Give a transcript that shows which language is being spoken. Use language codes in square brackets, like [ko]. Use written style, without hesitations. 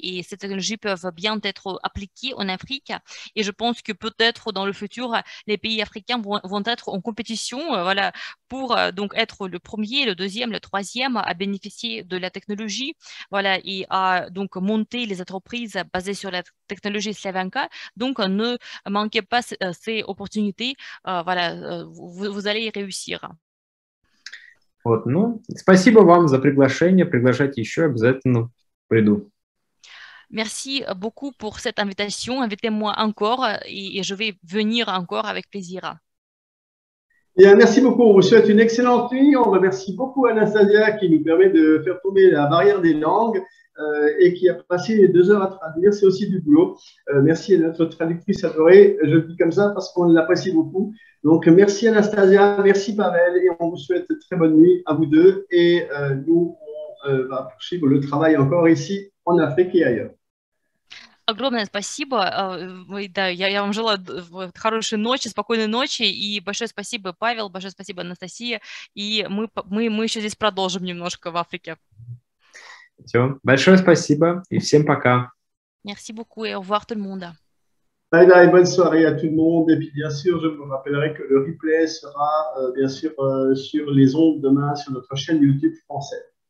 [fr] Et ces technologies peuvent bien être appliquées en Afrique. Et je pense que peut-être dans le futur, les pays africains vont être en compétition, voilà, pour donc être le premier, le deuxième, le troisième à bénéficier de la technologie, voilà, et à donc monter les entreprises basées sur la technologie Slavanka. Donc, ne manquez pas ces opportunités. Voilà, vous allez réussir. [ru] Вот, ну, спасибо вам за приглашение. Приглашайте еще, обязательно приду. [fr] Merci beaucoup pour cette invitation. Invitez-moi encore et je vais venir encore avec plaisir. Bien, merci beaucoup. On vous souhaite une excellente nuit. On remercie beaucoup Anastasia qui nous permet de faire tomber la barrière des langues et qui a passé 2 heures à traduire. C'est aussi du boulot. Merci à notre traductrice adorée. Je le dis comme ça parce qu'on l'apprécie beaucoup. Donc, merci Anastasia, merci Pavel et on vous souhaite très bonne nuit à vous deux. Et nous, on va poursuivre le travail encore ici en Afrique et ailleurs. [ru] Огромное спасибо. Да, я вам желаю хорошей ночи, спокойной ночи. И большое спасибо, Павел, большое спасибо, Анастасия. И мы еще здесь продолжим немножко в Африке. Все. Большое спасибо и всем пока. [fr] Merci beaucoup et au revoir tout le monde. Bye bye, bonne soirée à tout le monde. Et puis bien sûr, je vous rappellerai que le replay sera bien sûr sur les ondes demain sur notre chaîne YouTube française.